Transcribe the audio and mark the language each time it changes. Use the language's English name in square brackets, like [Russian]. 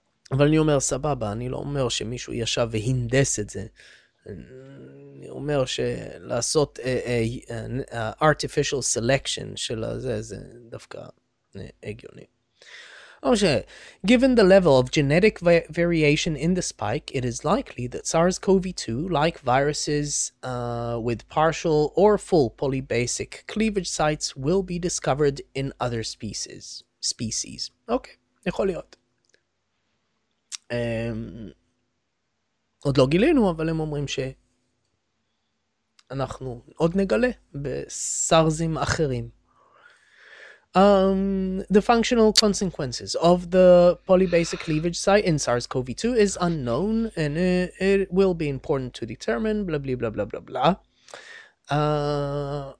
[Hebrew] אבל אני אומר, סבבה, אני לא אומר שמישהו ישב והנדס את זה. אני אומר שלעשות [English] artificial selection [Hebrew] של הזה, זה דווקא הגיוני. [English] Given the level of genetic variation in the spike, it is likely that SARS-CoV-2, like viruses with partial or full polybasic cleavage sites, will be discovered in other species. [Hebrew] Okay, יכול להיות. עוד לא גילינו, אבל הם אומרים שאנחנו עוד נגלה בסארזים אחרים. [English] The functional consequences of the polybasic cleavage site in SARS-CoV-2 is unknown, and it will be important to determine, blah, blah, blah, blah, blah, blah.